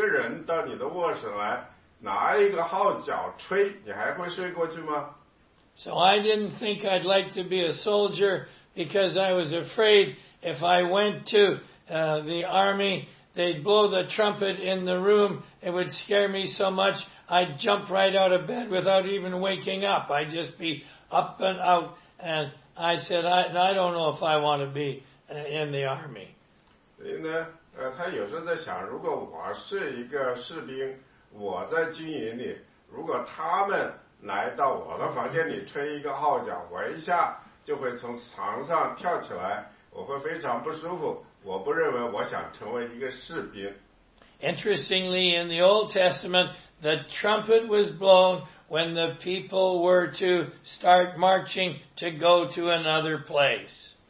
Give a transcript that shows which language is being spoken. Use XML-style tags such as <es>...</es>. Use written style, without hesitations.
<zh>所以有时候呢，我睡过了，我的闹钟响了，我还是睡过去了。但是你想一下，如果有一个人到你的卧室来， 拿一个号角吹，你还会睡过去吗?</zh> <en>So I didn't think I'd like to be a soldier because I was afraid if I went to the army, they'd blow the trumpet in the room. It would scare me so much, I'd jump right out of bed without even waking up. I'd just be up and out. And I said, I don't know if I want to be in the army.</en> <zh>所以呢，他有时候在想，如果我是一个士兵， 我在军营里，如果他们来到我的房间里吹一个号角，我一下就会从床上跳起来，我会非常不舒服。我不认为我想成为一个士兵。</zh> <en>Interestingly, in the Old Testament, the trumpet was blown when the people were to start marching to go to another place.</en>